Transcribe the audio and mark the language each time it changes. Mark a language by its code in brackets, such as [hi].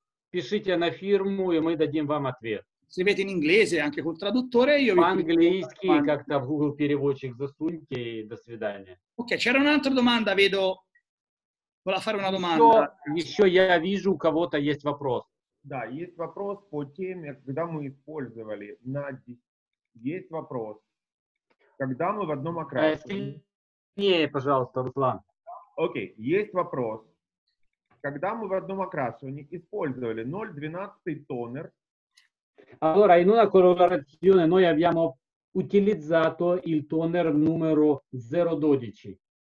[ru] Пишите на фирму, и мы дадим вам ответ. [it] Scrivete in inglese, anche col traduttore, io [ru] по-английски, vi как-то в Google переводчик засуньте, и до свидания. [it] Ok, c'era un'altra domanda, vedo. Vola fare una domanda. [ru] Еще я вижу, у кого-то есть вопрос. Да, есть вопрос по теме, когда мы использовали на... Есть вопрос. Когда мы в одном окрасывании... Не, пожалуйста, Руслан. Окей, okay, есть вопрос. Когда мы в одном окрасывании использовали 0,12 тонер... [it] Allora, in una colorazione noi abbiamo utilizzato il toner numero 012.